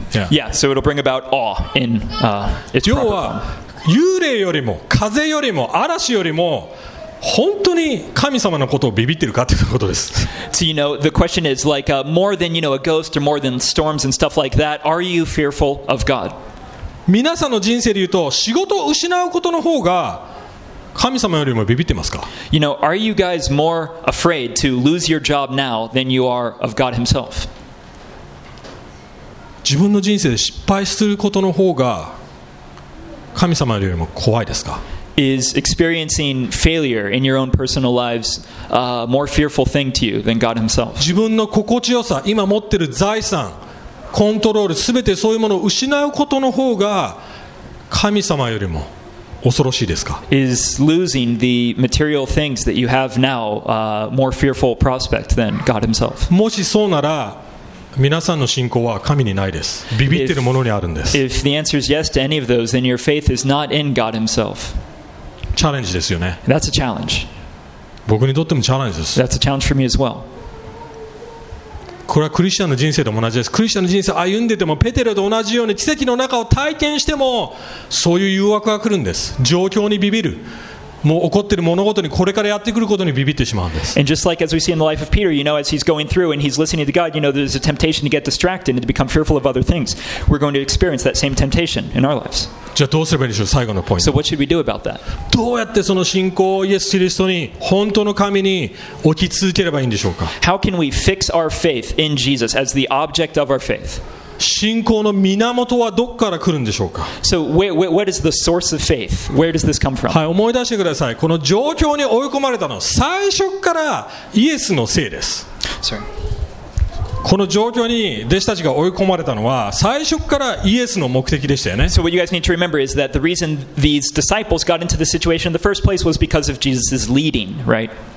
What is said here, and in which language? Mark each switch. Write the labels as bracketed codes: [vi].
[en] Yeah, so it'll bring about awe in its proper form. [ja] 幽霊よりも風よりも嵐よりも本当に神様のことをビビってるかということです。 [en] So you know, the question is like more than you know a ghost or more than storms and stuff like that. Are you fearful of God? [ja] 皆さんの人生で言うと仕事を失うことの方が神様よりもビビってますか [en] ？You know, are you guys more afraid to lose your job now than you are of God Himself? [ja] 自分の人生で失敗することの方が神様よりも怖いですか? [en] Is experiencing failure in your own personal lives a more fearful thing to you than God Himself? [ja] 自分の心地よさ、今持ってる財産、コントロール、すべてそういうものを失うことの方が神様よりも恐ろしいですか? [en] Is losing the material things that you have now a more fearful prospect than God Himself? [ja] もしそうなら皆さんの信仰は神にないです。ビビってるものにあるんです。 [en] If the answer is yes to any of those, then your faith is not in God Himself. [ja] チャレンジですよね。 [en] That's a challenge. [ja] 僕にとってもチャレンジです。 [en] That's a challenge for me as well. [ja] これはクリスチャンの人生でも同じです。クリスチャンの人生歩んでてもペテロと同じように奇跡の中を体験してもそういう誘惑が来るんです。状況にビビる。もう起こっている物事にこれからやってくることにビビってしまうんです。 [en] And just like as we see in the life of Peter, you know, as he's going through and he's listening to God, you know, there's a temptation to get distracted and to become fearful of other things. We're going to experience that same temptation in our lives. [ja] じゃあどうすればいいでしょう、最後のポイント。 [en] So what should we do about that? [ja] どうやってその信仰をイエス・キリストに本当の神に置き続ければいいんでしょうか? [en] How can we fix our faith in Jesus as the object of our faith? [ja] 信仰の源はどこから来るんでしょうか [en] So what is the source of faith? Where does this come from? [ja] はい、思い出してください。この状況に追い込まれたのは最初からイエスのせいです。 [en] Sorry. [ja] この状況に弟子たちが追い込まれたのは最初からイエスの目的でしたよね。 [en] So what you guys need to remember is that the reason these disciples got into the situation in the first place was because of Jesus' leading, right?